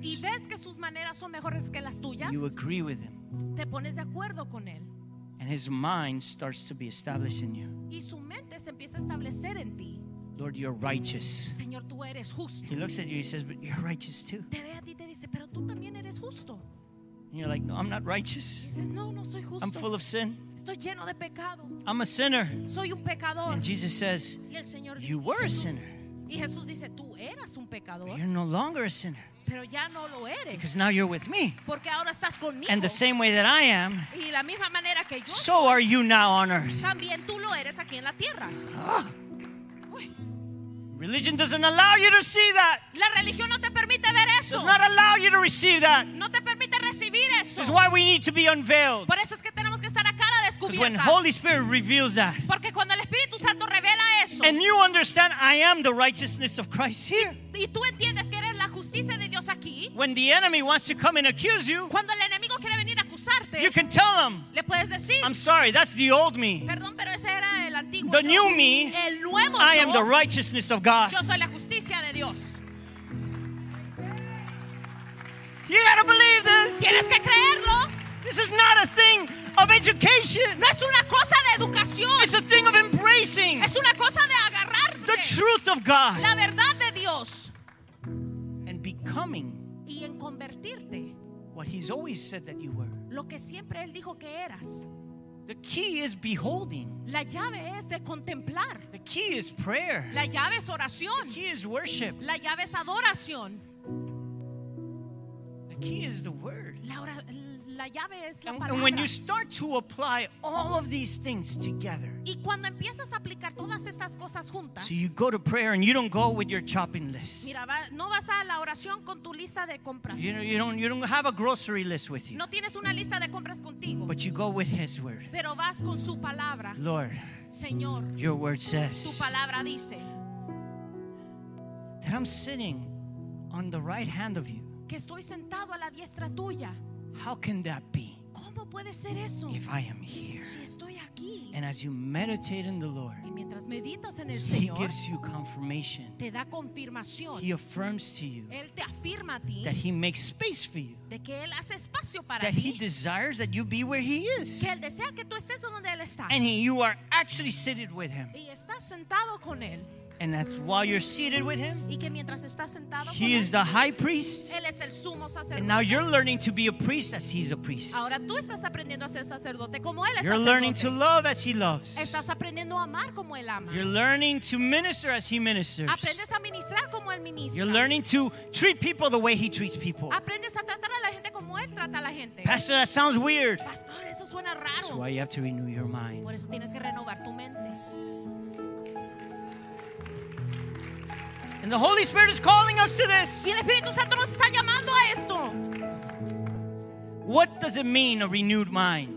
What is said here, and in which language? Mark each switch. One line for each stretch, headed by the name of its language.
Spanish: y ves que sus maneras son mejores que las tuyas,
English: you agree with him.
Spanish: Te pones de acuerdo con él.
English: And his mind starts to be established in you.
Spanish: Y su mente se empieza a establecer en ti.
English: Lord, you're righteous.
Spanish: Señor, tú eres justo.
English: He looks at you, he says, but you're righteous too.
Spanish: Te ve a ti, te dice, pero tú también eres justo.
English: And you're like, no, I'm not righteous.
Spanish: Dices, no, no soy justo.
English: I'm full of sin.
Spanish: Estoy lleno de pecado.
English: I'm a sinner.
Spanish: Soy un pecador.
English: And Jesus says,
Spanish: y el Señor
English: you
Spanish: dice,
English: were a sinner.
Spanish: Y Jesús dice, tú eras un pecador.
English: But you're no longer a sinner.
Spanish: Pero ya no lo eres.
English: Because now you're with me.
Spanish: Porque ahora estás conmigo.
English: And the same way that I am,
Spanish: y la misma manera que yo
English: so
Spanish: soy,
English: are you now on earth.
Spanish: También tú lo eres aquí en la tierra.
English: Religion doesn't allow you to see that.
Spanish: La religión no te permite ver eso.
English: Does not allow you to receive that.
Spanish: No te permite recibir eso.
English: This is why we need to be unveiled.
Spanish: Por eso es que tenemos que estar a cara descubierta.
English: Because when Holy Spirit reveals that,
Spanish: porque cuando el Espíritu Santo revela eso,
English: and you understand I am the righteousness of Christ here.
Spanish: Y tú entiendes que eres la justicia de Dios aquí.
English: When the enemy wants to come and accuse you,
Spanish: cuando el enemigo quiere venir a acusarte,
English: you can tell him,
Spanish: le puedes decir,
English: I'm sorry, that's the old me.
Spanish: Perdón, pero ese era el antiguo
English: the
Spanish: yo.
English: New me,
Spanish: el nuevo
English: I
Spanish: yo,
English: am the righteousness of God.
Spanish: Yo soy la justicia de Dios.
English: You gotta believe this.
Spanish: Tienes que creerlo.
English: This is not a thing of education.
Spanish: No es una cosa de educación.
English: It's a thing of embracing.
Spanish: Es una cosa de agarrarte.
English: The truth of God.
Spanish: La verdad de Dios.
English: And becoming.
Spanish: Y en convertirte.
English: What he's always said that you were.
Spanish: Lo que siempre él dijo que eras.
English: The key is beholding.
Spanish: La llave es de contemplar.
English: The key is prayer.
Spanish: La llave es oración.
English: The key is worship.
Spanish: La llave es adoración.
English: The key is the word.
Spanish: La llave es la palabra.
English: And when you start to apply all of these things together,
Spanish: y cuando empiezas a aplicar todas estas cosas juntas,
English: so you go to prayer and you don't go with your shopping list.
Spanish: Mira, no vas a la oración con tu lista de compras.
English: You don't have a grocery list with you.
Spanish: No tienes una lista de compras contigo.
English: But you go with his word.
Spanish: Pero vas con su palabra.
English: Lord,
Spanish: Señor,
English: your word says.
Spanish: Tu palabra dice.
English: That I'm sitting on the right hand of you.
Spanish: Que estoy sentado a la diestra tuya.
English: How can that be?
Spanish: ¿Cómo puede ser eso?
English: If I am here.
Spanish: Si estoy aquí.
English: And as you meditate in the Lord.
Spanish: Y mientras meditas en el
English: he
Spanish: Señor,
English: gives you confirmation.
Spanish: Te da confirmación.
English: He affirms to you.
Spanish: Él te afirma a ti.
English: That he makes space for you.
Spanish: De que él hace espacio para
English: that
Spanish: ti.
English: He desires that you be where he is.
Spanish: Que él desea que tú estés donde él está.
English: And you are actually seated with him.
Spanish: Y estás sentado con él.
English: And that while you're seated with him,
Spanish: y que mientras estás sentado
English: he is the high priest.
Spanish: Él es el sumo sacerdote.
English: And now you're learning to be a priest as he's a priest.
Spanish: Ahora tú estás aprendiendo a ser sacerdote como él es.
English: You're
Spanish: sacerdote.
English: Learning to love as he loves.
Spanish: Estás aprendiendo a amar como él ama.
English: You're learning to minister as he ministers.
Spanish: Aprendes a ministrar como él ministra.
English: You're learning to treat people the way he treats people.
Spanish: Aprendes a tratar a la gente como él trata a la gente.
English: Pastor, that sounds weird.
Spanish: Pastor, eso suena raro.
English: That's why you have to renew your mind.
Spanish: Por eso tienes que renovar tu mente.
English: And the Holy Spirit is calling us to this.
Spanish: Y el Espíritu Santo nos está llamando a esto.
English: What does it mean, a renewed mind?